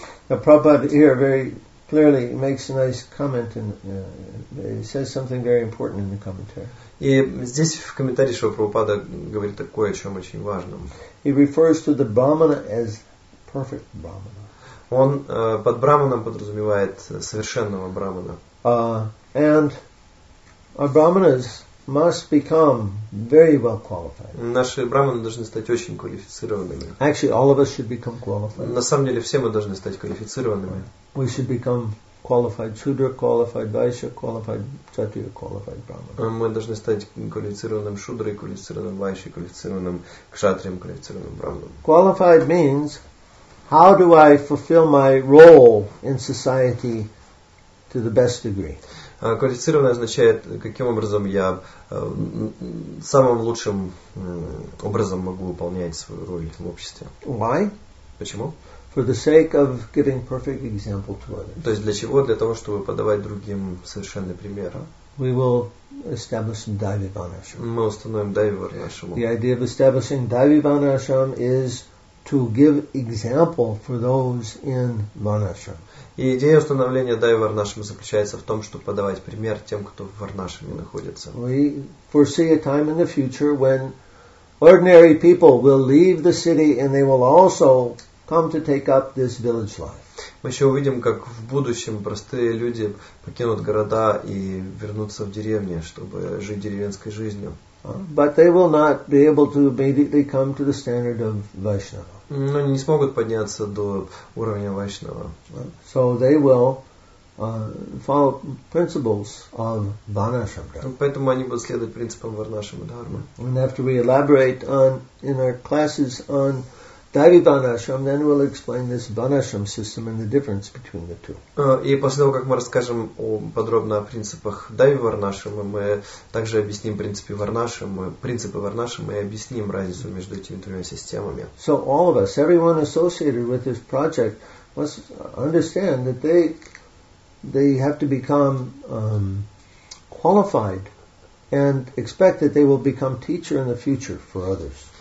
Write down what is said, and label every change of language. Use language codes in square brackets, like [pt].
[en] Now, Prabhupada here very clearly makes a nice comment and says something very important in the commentary. [ru] И здесь в комментарии Шрила Прабхупада говорит такое, о чем очень важном. [en] He refers to the brahmana as perfect brahmana. [ru] Он под брахманом подразумевает совершенного брахмана. [en] And our brahmanas must become very well qualified. [ru] Наши брахманы должны стать очень квалифицированными. [en] Actually, all of us should become qualified. [ru] На самом деле, все мы должны стать квалифицированными. [en] We should become qualified Shudra, qualified Vaishya, qualified Kshatriya, qualified Brahmana. [ru] Мы должны стать квалифицированным Шудрой, квалифицированным Вайшей, квалифицированным Кшатрием, квалифицированным Брахманом. [en] Qualified means, how do I fulfill my role in society to the best degree? [ru] Квалифицированное означает, каким образом я самым лучшим образом могу выполнять свою роль в обществе. [en] Why? [ru] Почему? [en] For the sake of giving perfect example to others. [ru] То есть для чего? Для того, чтобы подавать другим совершенный пример. [en] We will establish Daivi Varnashram. [ru] Мы установим Daivi Varnashram. [en] The idea of establishing Daivi Varnashram is to give example for those in Varnashram. [ru] И идея установления Daivi Varnashram заключается в том, чтобы подавать пример тем, кто в Варнашраме находится. [en] We foresee a time in the future when ordinary people will leave the city and they will also come to take up this village life. [ru] Мы еще увидим, как в будущем простые люди покинут города и вернутся в деревни, чтобы жить деревенской жизнью. [en] But they will not be able to immediately come to the standard of Vaishnava. [ru] Но не смогут подняться до уровня Вайшнава. [en] So they will follow principles on Varnashrama. [ru] Поэтому они будут следовать принципам Варнашрама Дхармы. [en] And after we elaborate on in our classes on Dhari Varnashram, then we'll explain this Varnashram system and the difference between the two. [ru] И после того, как мы расскажем подробно о принципах Дхари Варнашрама, мы также объясним принципы Варнашрама и объясним разницу между этими двумя системами. [en] So all of us, everyone associated with this project, must understand that they have to become qualified and expect that they will become teacher in the future for others.